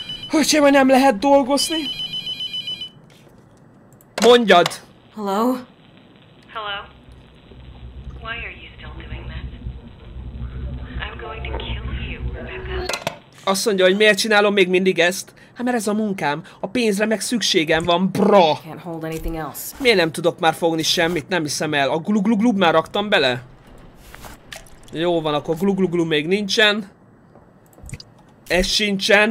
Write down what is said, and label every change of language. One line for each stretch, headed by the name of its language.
Hungarian: Hogy sem, hogy nem lehet dolgozni? Mondjad!
English: Hello? Hello? Why are you still doing this? I'm going to kill you, Rebecca.
Hungarian: Azt mondja, hogy miért csinálom még mindig ezt? Hát mert ez a munkám. A pénzre meg szükségem van, bra! Miért nem tudok már fogni semmit? Nem hiszem el. A glugluglub már raktam bele? Jó van, akkor glugluglub még nincsen. Ez sincsen.